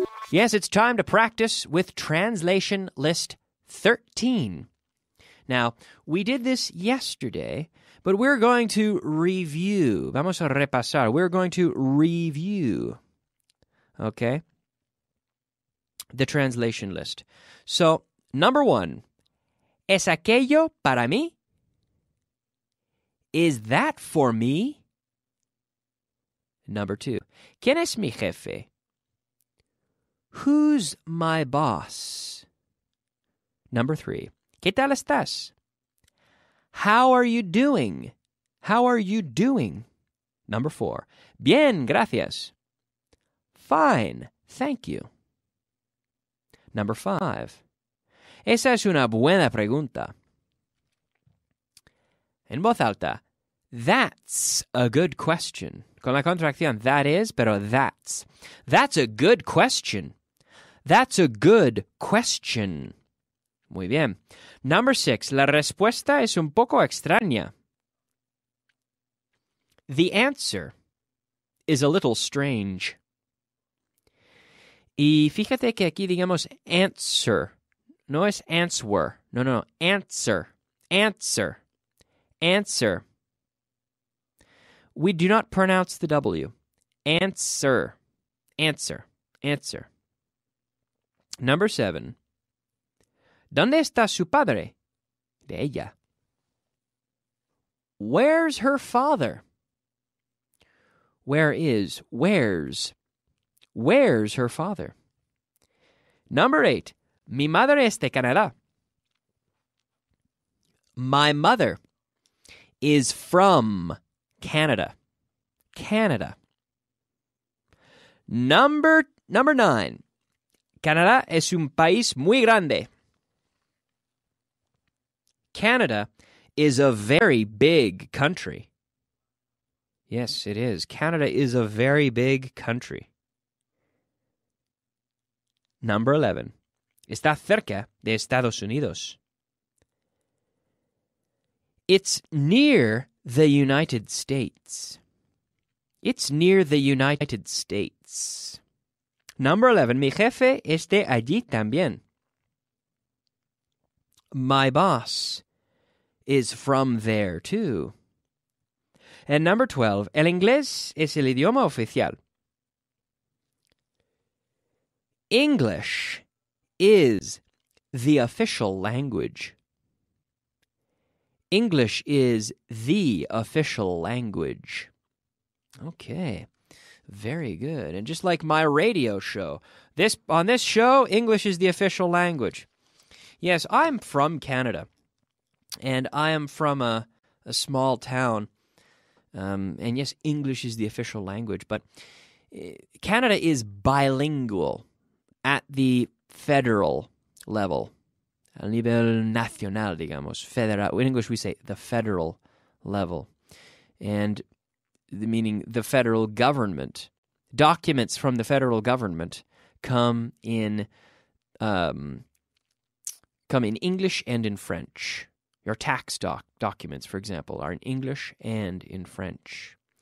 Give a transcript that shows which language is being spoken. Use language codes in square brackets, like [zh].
[en] Yes, it's time to practice with translation list 13. Now, we did this yesterday, but we're going to review. [es] Vamos a repasar. [en] We're going to review, okay, the translation list. So, number one, [es] ¿es aquello para mí? [en] Is that for me? Number two, ¿quién es mi jefe? Who's my boss? Number three, [es] ¿qué tal estás? [en] How are you doing? How are you doing? Number four, [es] bien, gracias. [en] Fine, thank you. Number five, [es] esa es una buena pregunta. En voz alta, [en] that's a good question. [es] Con la contracción, [en] that is, [es] pero [en] that's. That's a good question. That's a good question. [es] Muy bien. [en] Number six, [es] la respuesta es un poco extraña. [en] The answer is a little strange. [es] Y fíjate que aquí digamos answer. No es answer. [en] No, no, answer. Answer. Answer. We do not pronounce the W. Answer. Answer. Answer. Number seven. [es] ¿Dónde está su padre? De ella. [en] Where's her father? Where is, where's? Where's her father? Number eight. [es] Mi madre es de Canadá. [en] My mother is from Canada. Canada. Number nine. [es] Canadá es un país muy grande. [en] Canada is a very big country. Yes, it is. Canada is a very big country. Number 11. [es] Está cerca de Estados Unidos. [en] It's near the United States. It's near the United States. Number 11. [es] Mi jefe es de allí también. [en] My boss is from there too. And number 12, [es] el inglés es el idioma oficial. [en] English is the official language. English is the official language. Okay. Very good. And just like my radio show, on this show, English is the official language. Yes, I'm from Canada. And I am from a small town. And yes, English is the official language. But Canada is bilingual at the federal level. [es] A nivel nacional, digamos. [en] Federal. In English, we say the federal level. And meaning the federal government. Documents from the federal government come in English and in French. Your tax documents, for example, are in English and in French.